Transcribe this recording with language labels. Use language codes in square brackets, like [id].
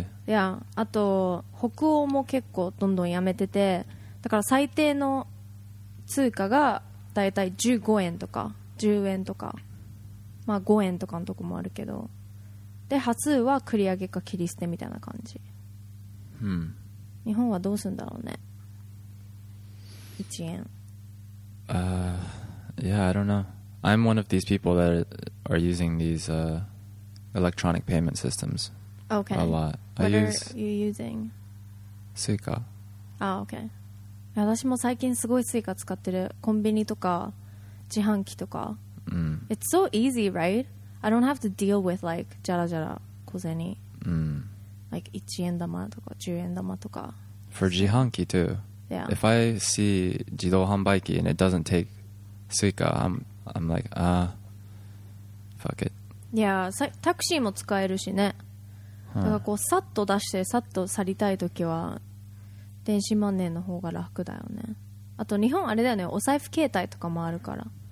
[ja] いや、あと北欧も結構どんどんやめてて、だから最低の通貨がだいたい15円とか10円とか、まあ、5円とかのとこもあるけど、で、端数は繰り上げか切り捨てみたいな感じ。日本はどうするんだろうね、1円。 [en] Yeah, I don't know. I'm one of these people that are using these electronic payment systems. Okay. A lot. What are you using? Suica. Okay. [ja] 私も最近すごいスイカ使ってる。コンビニとか自販機とか、 [en] It's so easy, right? I don't have to deal with like [ja] じゃらじゃら小銭、 [en] like [ja] 1円玉とか10円玉とか。 [en] For 自販機 too. Yeah. If I see 自動販売機 and it doesn't take Suica, I'm like fuck it. [ja] Yeah, タクシーも使えるしね。だからこうさっと出してさっと去りたいときは電子マネーの方が楽だよね。あと日本あれだよね、お財布携帯とかもあるから。